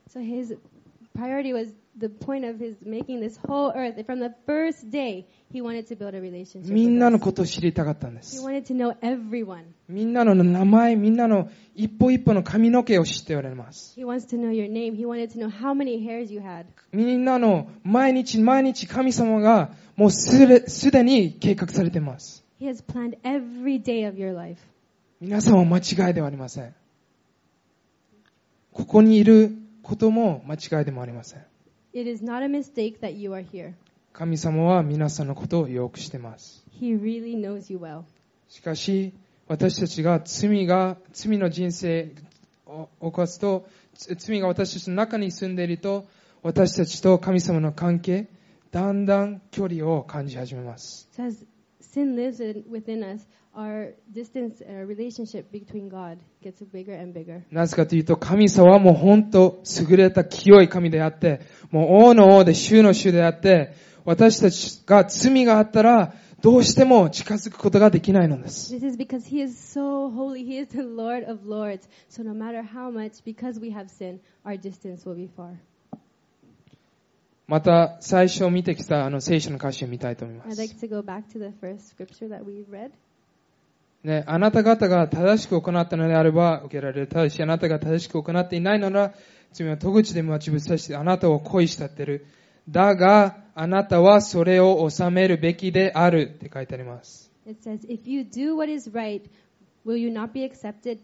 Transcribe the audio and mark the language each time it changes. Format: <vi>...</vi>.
<en>So his priority was the point of his making this whole earth. From the first day, he wanted to build a relationship.</en> <ja>みんなのことを知りたかったんです。</ja> <en>He wanted to know everyone.</en> <ja>みんなの名前、みんなの一歩一歩の髪の毛を知っておられます。</ja> <en>He wants to know your name. He wanted to know how many hairs you had.</en> <ja>みんなの毎日毎日神様がもうすでに計画されています。</ja> <en>He has planned every day of your life.</en> <ja>皆さんは間違いではありません。ここにいることも間違いでもありません。</ja> <en>It is not a mistake that you are here.</en> <ja>神様は皆さんのことをよく知っています。</ja> <en>He really knows you well.</en> <ja>しかし、私たちが罪の人生を犯すと、罪が私たちの中に住んでいると、私たちと神様の関係、だんだん距離を感じ始めます。</ja> <en>So as sin lives within us, our distance, our relationship between God gets bigger and bigger.</en> <ja>なぜかというと、神様はもう本当優れた清い神であって、もう王の王で主の主であって、私たちが罪があったら、どうしても近づくことができないのです。</ja> <en>This is because He is so holy. He is the Lord of Lords. So no matter how much, because we have sin, our distance will be far.</en> <ja>また最初見てきた聖書の歌詞を見たいと思います。</ja> <en>I'd like to go back to the first scripture that we read.</en> <ja>ね、あなた方が正しく行ったのであれば受けられる。ただしあなたが正しく行っていないなら、罪は戸口で待ち伏せしてあなたを恋したってる。だがあなたはそれを治めるべきであるって書いてあります。</ja> <en>It says, if you do what is right, will you not be accepted?</en>